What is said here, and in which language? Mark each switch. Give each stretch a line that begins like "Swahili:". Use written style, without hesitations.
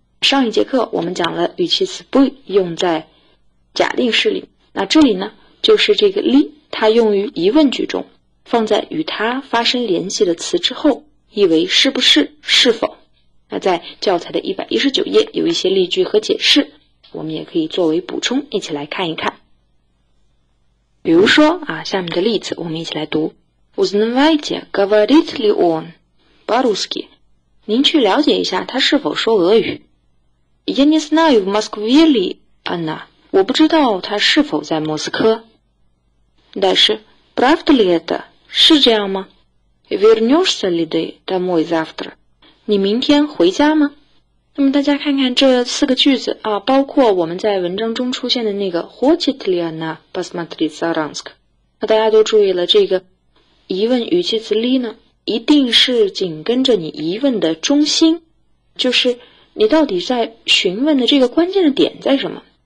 Chinese: 上一节课我们讲了语气词不用在假定式里，那这里呢就是这个 li， 它用于疑问句中，放在与它发生联系的词之后，意为是不是、是否。那在教材的119页有一些例句和解释，我们也可以作为补充，一起来看一看。比如说啊，下面的例子我们一起来读。
Russian: Узнавайте, говорит ли он по-русски?
Chinese: 您去了解一下他是否说俄语。
Russian: Я не знаю, в Москве ли она?
Chinese: 我不知道他是否在莫斯科。但是
Russian: правда ли это?
Chinese: 是这样吗？
Russian: вернешься ли ты домой завтра?
Chinese: 你明天回家吗？那么大家看看这四个句子啊，包括我们在文章中出现的那个
Russian: хочет ли она посмотреть Саранск，
Chinese: 那大家都注意了，这个疑问语气词 ли 呢，一定是紧跟着你疑问的中心，就是你到底在询问的这个关键的点在什么。